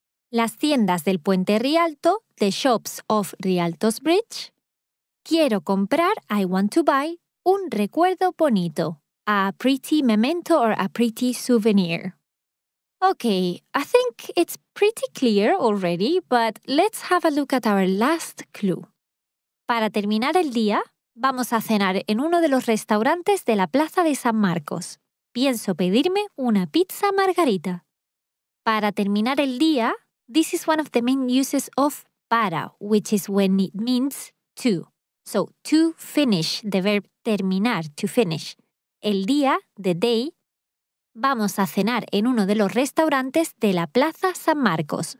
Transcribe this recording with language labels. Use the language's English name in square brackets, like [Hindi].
[Spanish] Las tiendas del Puente Rialto, [English] the shops of Rialto's Bridge. [Spanish] Quiero comprar, [English] I want to buy, [Spanish] un recuerdo bonito. [English] A pretty memento or a pretty souvenir. Okay, I think it's pretty clear already, but let's have a look at our last clue. [Spanish] Para terminar el día, vamos a cenar en uno de los restaurantes de la Plaza de San Marcos. Pienso pedirme una pizza margarita. Para terminar el día, [English] this is one of the main uses of para, which is when it means to. So, to finish, the verb terminar, to finish. [Spanish] El día, [English] the day. [Spanish] Vamos a cenar en uno de los restaurantes de la Plaza San Marcos.